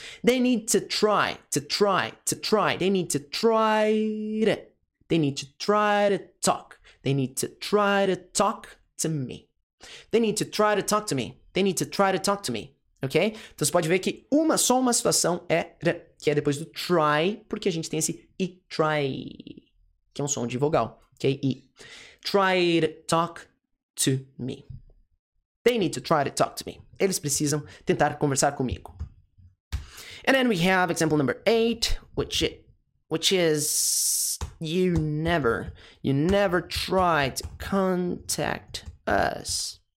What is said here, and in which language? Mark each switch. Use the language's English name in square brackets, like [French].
[English] They need to try, to try, to try. They need to try to. They need to try to talk. They need to try to talk to me. They need to try to talk to me. They need to try to talk to me. Ok? [Portuguese] Então, você pode ver que uma situação é re, que é depois do try, porque a gente tem esse e, try, que é um som de vogal. [English] Ok? E. Try to talk to me. They need to try to talk to me. [Portuguese] Eles precisam tentar conversar comigo. [English] And then we have example number 8, which is you never try to contact us.